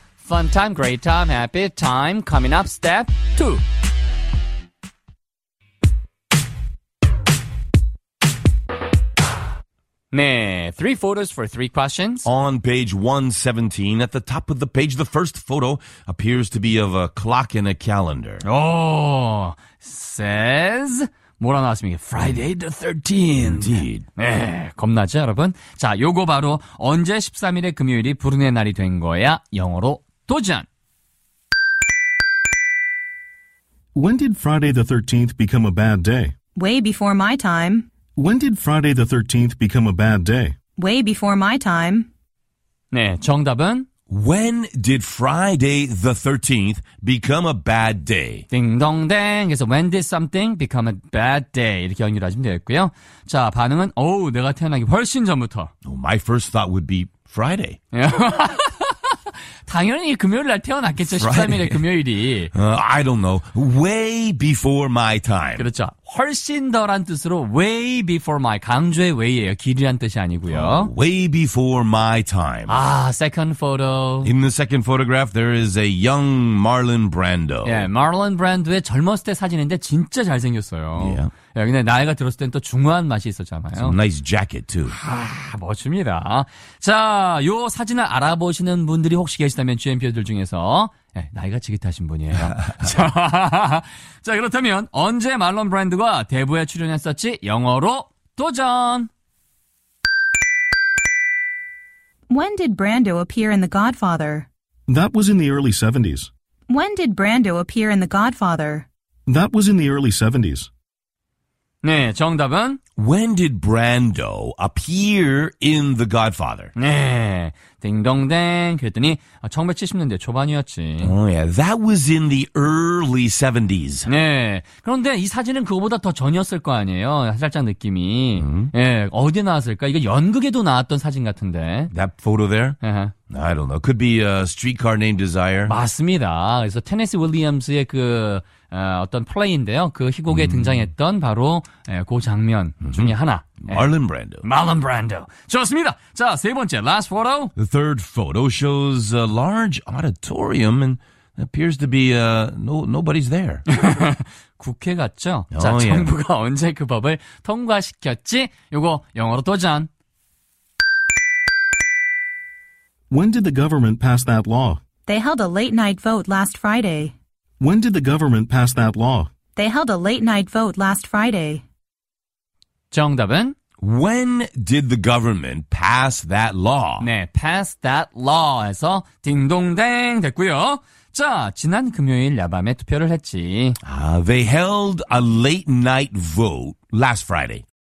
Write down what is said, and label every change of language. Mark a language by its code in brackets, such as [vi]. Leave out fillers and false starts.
[en] Fun time, great time, happy time. Coming up, step two. 네, three photos for three questions. On page 117, at the top of the page, the first photo appears to be of a clock and a calendar. Oh, says, [ko] 뭐라 나왔습니까? [en] Friday the 13th. Indeed. [ko] 네, 겁나죠, 여러분? 자, 요거 바로 언제 13일의 금요일이 불운의 날이 된 거야? 영어로 도전! [en] When did Friday the 13th become a bad day? Way before my time. When did Friday the 13th become a bad day? Way before my time. [ko] 네, 정답은? [en] When did Friday the 13th become a bad day? [ko] 딩동댕. 그래서 [en] when did something become a bad day? [ko] 이렇게 연결하시면 되겠고요. 자, 반응은? 오, 내가 태어나기 훨씬 전부터. [en] Oh, my first thought would be Friday. [ko] 당연히 금요일 날 태어났겠죠. Friday. 13일에 금요일이. [en] I don't know. Way before my time. [ko] 그렇죠. 훨씬 더란 뜻으로 way before my, 강조의 way예요. 길이란 뜻이 아니고요. [en] Way before my time. 아, second photo. In the second photograph, there is a young Marlon Brando. [ko] 예, Marlon Brando의 젊었을 때 사진인데 진짜 잘생겼어요. [en] Yeah. [ko] 예, 근데 나이가 들었을 땐 또 중후한 맛이 있었잖아요. [en] Some nice jacket too. [ko] 아, 멋집니다. 자, 요 사진을 알아보시는 분들이 혹시 계시다면 GMP들 중에서 네, 나이가 지긋하신 분이에요. 자, 자, 그렇다면 언제 말론 브랜드가 대부에 출연했었지? 영어로 도전! [en] When did Brando appear in The Godfather? That was in the early 70s. When did Brando appear in The Godfather? That was in the early 70s. [ko] 네, 정답은? [en] When did Brando appear in The Godfather? [ko] 네, 딩동댕. 그랬더니 1970년대 초반이었지. [en] Oh yeah, that was in the early 70s. [ko] 네, 그런데 이 사진은 그거보다 더 전이었을 거 아니에요. 살짝 느낌이. Mm-hmm. 네, 어디 나왔을까? 이거 연극에도 나왔던 사진 같은데. [en] That photo there? Uh-huh. I don't know. Could be a streetcar named Desire. [ko] 맞습니다. 그래서 테네시 윌리엄스의 그 어떤 플레이인데요. 그 희곡에 mm-hmm. 등장했던 바로 예, 그 장면 mm-hmm. 중에 하나. [en] Marlon Brando. [ko] Marlon Brando. 좋습니다. 자, 세 번째, [en] last photo. The third photo shows a large auditorium and appears to be nobody's there. [ko] 국회 같죠? Oh, 자, 정부가 yeah. 언제 그 법을 통과시켰지? 이거 영어로 도전. [en] When did the government pass that law? They held a late night vote last Friday. When did the government pass that law? They held a late night vote last Friday. [ko] 정답은? [en] When did the government pass that law? [ko] 네, [en] pass that law [ko] 해서 딩동댕 됐고요. 자, 지난 금요일 야밤에 투표를 했지. [en] They held a late night vote last Friday.